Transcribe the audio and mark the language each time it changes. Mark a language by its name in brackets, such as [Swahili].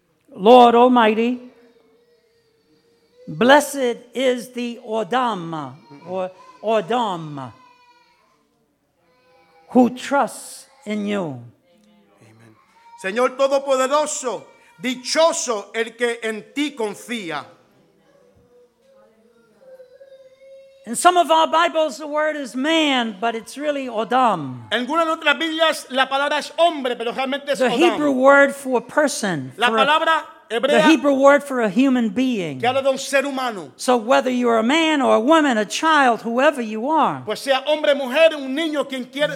[English] Lord Almighty, blessed is the Odom, or Odom, who trusts in you. Amen. [Spanish] Señor Todopoderoso, dichoso el que en ti confía. [English] In some of our Bibles, the word is man, but it's really Odom. [Spanish] En algunas otras Biblias, la palabra es hombre, pero realmente es Odom. [English] The Hebrew word for a person. [Spanish] La palabra [English] The Hebrew word for a human being. [Spanish] Que habla de un ser humano. [English] So whether you are a man or a woman, a child, whoever you are, [Spanish] pues sea hombre, mujer, un niño, quien quiera